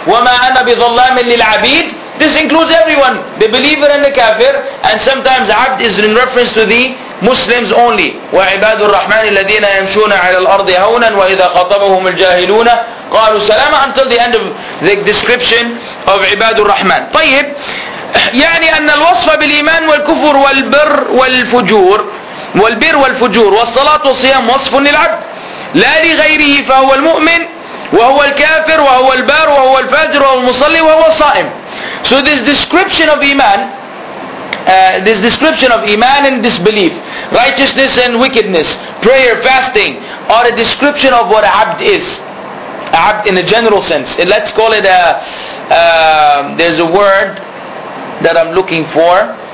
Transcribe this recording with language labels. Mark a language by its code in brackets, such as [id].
[ar] وَمَا أَنَا بِظَلَّامٍ لِلْعَبِيدِ. [en] This includes everyone, the believer and the kafir. And sometimes abd is in reference to the Muslims only. [ar] وَعِبَادُ الرَّحْمَنِ الَّذِينَ يَمْشُونَ عَلَى الْأَرْضِ هَوْنًا وَإِذَا خَطَبَهُمُ الْجَاهِلُونَ قَالُوا سَلَامًا. [en] Until the end of the description of عِبَادُ الرَّحْمَنِ. [ar] طيب, يعني أن الوصف بالإيمان والكفر والبر والفجور والبر والفجور والصلاة والصيام وصف للعبد لا لغيره, فهو المؤمن وهو الكافر وهو البار وهو الفاجر وهو المصلي وهو الصائم. [en] So this description of iman, this description of iman and disbelief, righteousness and wickedness, prayer, fasting, are a description of what abd is. Abd in a general sense. Let's call it there's a word that I'm looking for.